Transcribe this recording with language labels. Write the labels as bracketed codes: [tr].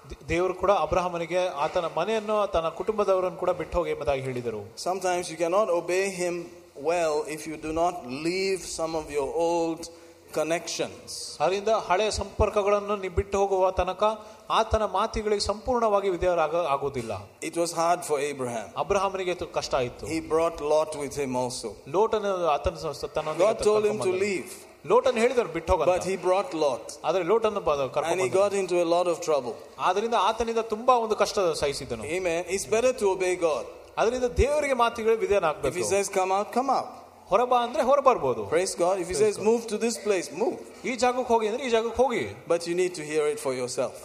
[kn] ದೇವರು ಕೂಡ ಅಬ್ರಹಾಮನಿಗೆ ಆತನ ಮನೆಯನ್ನು ತನ್ನ ಕುಟುಂಬದವರನ್ನು ಕೂಡ ಬಿಟ್ಟು ಹೋಗಿ ಎಂಬುದಾಗಿ ಹೇಳಿದರು. [en] Sometimes you cannot obey him well if you do not leave some of your old connections. [kn] ಅದರಿಂದ ಹಳೆ ಸಂಪರ್ಕಗಳನ್ನು ನೀವು ಬಿಟ್ಟು ಹೋಗುವ ತನಕ ಆತನ ಮಾತುಗಳಿಗೆ ಸಂಪೂರ್ಣವಾಗಿ ವಿಧೇಯರಾಗುವುದಿಲ್ಲ. [en] It was hard for Abraham. [kn] ಅಬ್ರಹಾಮನಿಗೆ ಕಷ್ಟ ಆಯಿತು. [en] He brought Lot with him also. [kn] ಲೋಟನ ಆತನ ತನ್ನ [en] God told him to leave. [kn] Lotan ಹೇಳಿದರು ಬಿಟ್ಟೋಗಲ್ಲ. [en] But he brought Lot. [kn] ಆದರೆ ಲೋಟನ್ನು ಕರ್ಕೊಂಡು. [en] And he got into a lot of trouble. [kn] ಆದರಿಂದ ಆತನಿಂದ ತುಂಬಾ ಒಂದು ಕಷ್ಟ ಸಹಿಸಿದನು. [en] Amen. It's better to obey God. [kn] ಆದರಿಂದ ದೇವರಿಗೆ ಮಾತುಗಳಿಗೆ ವಿಧೇಯನಾಗಬೇಕು. [en] If he says come out, come out. [kn] ಹೊರಬಾ ಅಂದ್ರೆ ಹೊರಬರಬಹುದು. [en] Praise God. If he says move to this place, move. [kn] ಈ ಜಾಗಕ್ಕೆ ಹೋಗಿ ಅಂದ್ರೆ ಈ ಜಾಗಕ್ಕೆ ಹೋಗಿ. [en] But you need to hear it for yourself.